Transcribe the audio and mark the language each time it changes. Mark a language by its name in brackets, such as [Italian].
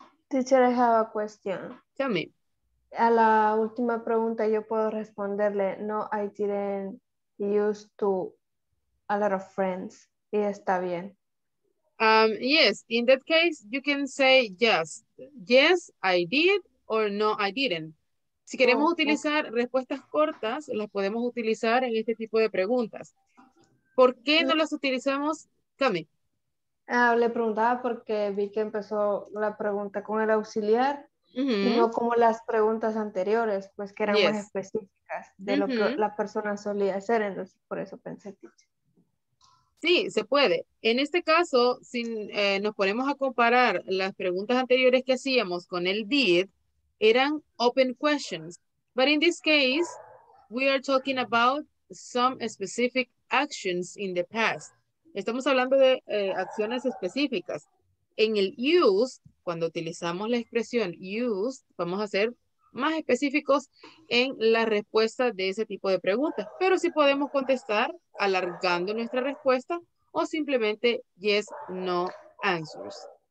[English] Teacher, I have a question. Tell me. [Spanish] A la última pregunta yo puedo responderle. [English] No, I didn't use to a lot of friends. [Spanish] Y está bien. [English] Yes, in that case, you can say yes. Yes, I did or no, I didn't. [Spanish] Si queremos utilizar respuestas cortas, las podemos utilizar en este tipo de preguntas. ¿Por qué no las utilizamos, Cami? Le preguntaba porque vi que empezó la pregunta con el auxiliar, y no como las preguntas anteriores, pues que eran más específicas de lo que la persona solía hacer, entonces por eso pensé. Sí, se puede. En este caso, si nos ponemos a comparar las preguntas anteriores que hacíamos con el did, eran open questions. [English] But in this case, we are talking about some specific actions in the past. [Spanish] Estamos hablando de acciones específicas. En el used, cuando utilizamos la expresión used, vamos a ser más específicos en la respuesta de ese tipo de preguntas. Pero sí podemos contestar alargando nuestra respuesta o simplemente [English] yes, no answers.